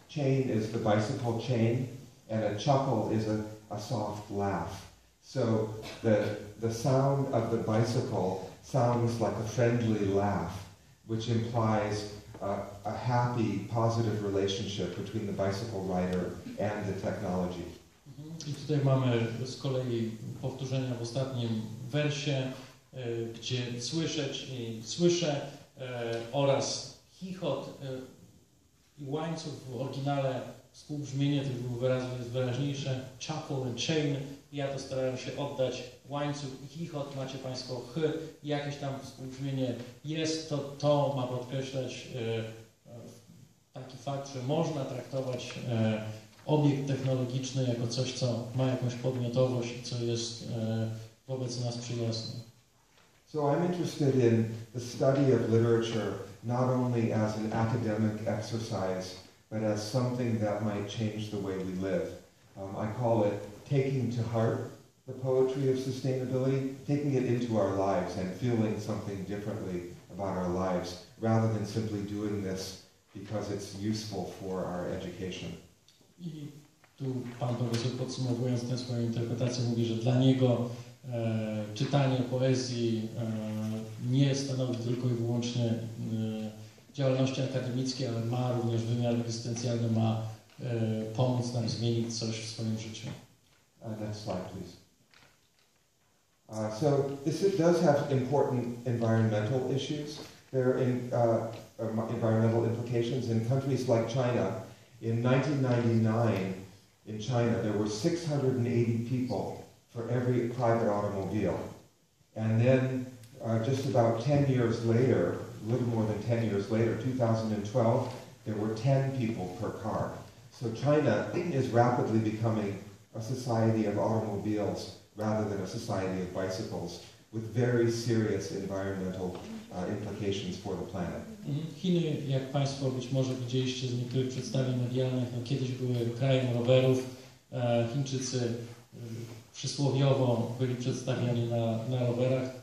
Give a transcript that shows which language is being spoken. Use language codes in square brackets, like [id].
[en] Chain is the bicycle chain, and a chuckle is a soft laugh. So, the sound of the bicycle sounds like a friendly laugh, which implies a happy, positive relationship between the bicycle rider and the technology. [pl] I tutaj mamy z kolei powtórzenia w ostatnim wersie, gdzie słyszeć i słyszę oraz chichot i łańcuch w oryginale, współbrzmienie tych dwóch wyrazów jest wyraźniejsze, [en] chuckle and chain. [pl] Ja to starałem się oddać, łańcuch i chichot, macie państwo h, jakieś tam współbrzmienie jest, to ma podkreślać taki fakt, że można traktować obiekt technologiczny jako coś, co ma jakąś podmiotowość i co jest wobec nas przyjazne. [en] So I'm interested in the study of literature not only as an academic exercise, but as something that might change the way we live. I call it taking to heart the poetry of sustainability, taking it into our lives and feeling something differently about our lives, rather than simply doing this because it's useful for our education. [pl] I tu pan profesor, podsumowując tę swoją interpretację, mówi, że dla niego czytanie poezji nie stanowi tylko i wyłącznie działalności akademickiej, ale ma również wymiar egzystencjalny, ma pomóc nam zmienić coś w swoim życiu. [en] Next slide, please. So this it does have important environmental issues. There are environmental implications in countries like China. In 1999, in China, there were 680 people for every private automobile. And then just about 10 years later, a little more than 10 years later, 2012, there were 10 people per car. So China is rapidly becoming a society of automobiles rather than a society of bicycles, with very serious environmental implications for the planet. [pl] Chiny, jak Państwo być może widzieliście z niektórych przedstawień medialnych, no kiedyś były krajem rowerów. Chińczycy przysłowiowo byli przedstawiani na rowerach.